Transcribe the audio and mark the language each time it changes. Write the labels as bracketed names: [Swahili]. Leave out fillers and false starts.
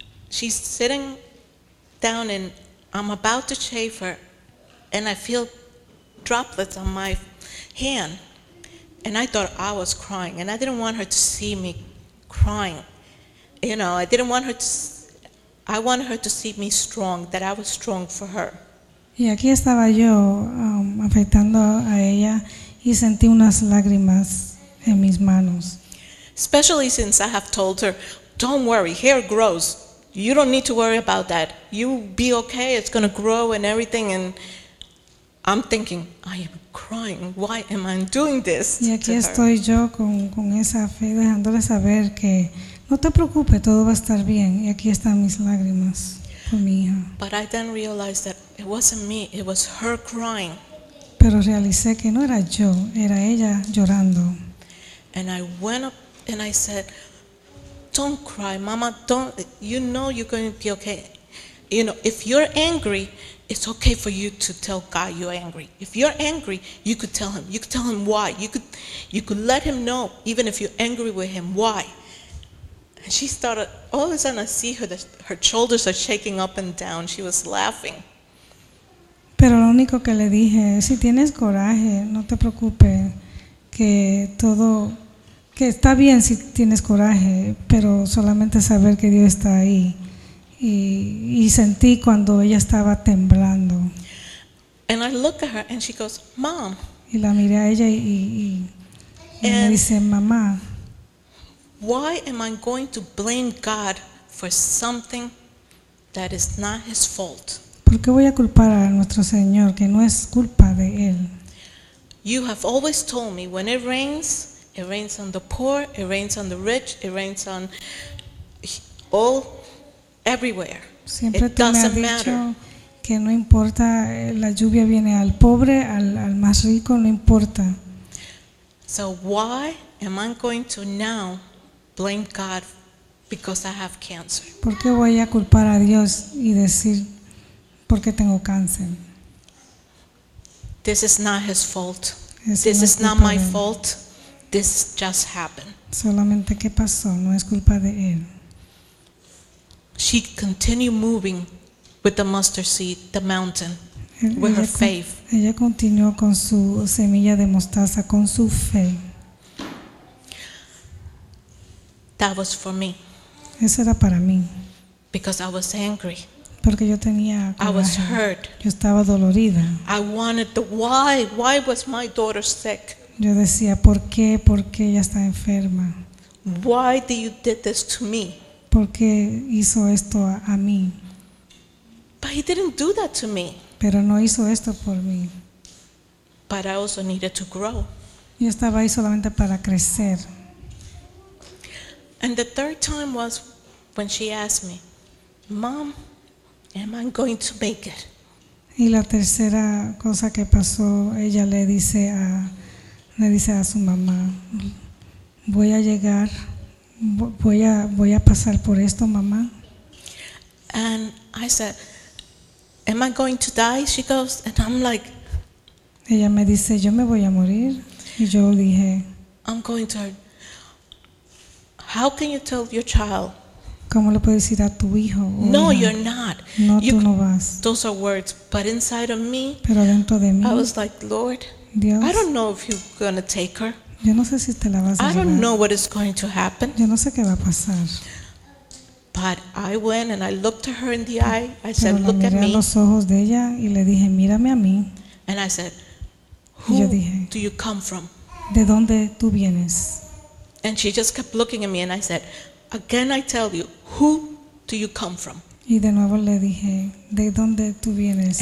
[English] She's sitting down and I'm about to shave her and I feel droplets on my hand. And I thought I was crying and I didn't want her to see me crying. You know, I didn't want her to, I wanted her to see me strong, that I was strong for her. [Spanish] Y aquí estaba yo afectando a ella y sentí unas lágrimas en mis manos. [English] Especially since I have told her, don't worry, hair grows. You don't need to worry about that. You'll be okay, it's going to grow and everything. And I'm thinking, I am crying, why am I doing this? [Spanish] Y aquí estoy yo con esa fe, dejándole saber que no te preocupes, todo va a estar bien. Y aquí están mis lágrimas por mi hija. [English] But I then realized that it wasn't me, it was her crying. [Spanish] Pero realicé que no era yo, era ella llorando. [English] And I went up and I said, don't cry, mama, don't, you know you're going to be okay. You know, if you're angry, it's okay for you to tell God you're angry. If you're angry, you could tell him. You could tell him why. You could let him know, even if you're angry with him, why. And she started, all of a sudden I see her, her shoulders are shaking up and down. She was laughing. [Spanish] Pero lo único que le dije, si tienes coraje, no te preocupes, que todo, que está bien si tienes coraje, pero solamente saber que Dios está ahí. Y sentí cuando ella estaba temblando. [English] And I look at her and she goes, Mom. [Spanish] Y la miré a ella y me dice, Mamá. [English] Why am I going to blame God for something that is not his fault? [Spanish] ¿Por qué voy a culpar a nuestro Señor que no es culpa de él? [English] You have always told me when it rains on the poor, it rains on the rich, it rains on all. Everywhere. [Spanish] Siempre tú me has dicho que no importa, la lluvia viene al pobre, al más rico, no importa. [English] So why am I going to now blame God because I have cancer? [Spanish] ¿Por qué voy a culpar a Dios y decir por qué tengo cáncer? [English] This is not his fault. This is not my fault. This just happened. [Spanish] Solamente qué pasó, no es culpa de él. [English] She continued moving with the mustard seed, the mountain, with her faith. [Spanish] Ella continuó con su semilla de mostaza, con su fe. [English] That was for me. [Spanish] Eso era para mí. [English] Because I was angry. [Spanish] Porque yo tenía coraje. [English] I was hurt. [Spanish] Yo estaba dolorida. [English] I wanted the why. Why was my daughter sick? [Spanish] Yo decía, ¿por qué? ¿Por qué ella está enferma? [English] Why did you do this to me? [Spanish] ¿Por qué hizo esto a mí? [English] But he didn't do that to me. [Spanish] Pero no hizo esto por mí. [English] But I also needed to grow. [Spanish] Yo estaba ahí solamente para crecer. [English] And the third time was when she asked me, Mom, am I going to make it? [Spanish] Y la tercera cosa que pasó, ella le dice a su mamá, voy a llegar. Voy a pasar por esto, mamá. [English] And I said, am I going to die? She goes, and I'm like, [Spanish] ella me dice, yo me voy a morir. Y yo dije, [English] I'm going to, how can you tell your child? [Spanish] ¿Cómo le puedes decir a tu hijo? [English] No, you're not. [Spanish] No, tú no vas. [English] Those are words, but inside of me, [Spanish] pero dentro de mí, [English] I was like, Lord, [Spanish] Dios, [English] I don't know if you're going to take her. [Spanish] Yo no sé si te la vas a llevar. [English] I don't know what is going to happen. [Spanish] Yo no sé qué va a pasar. [English] But I went and I looked at her in the eye. I said, look at me. [Spanish] Miré a los ojos de ella y le dije, mírame a mí. [English] And I said, who do you come from? [Spanish] ¿De dónde tú vienes? [English] And she just kept looking at me and I said, again I tell you, who do you come from? [Spanish] Y de nuevo le dije, ¿de dónde tú vienes?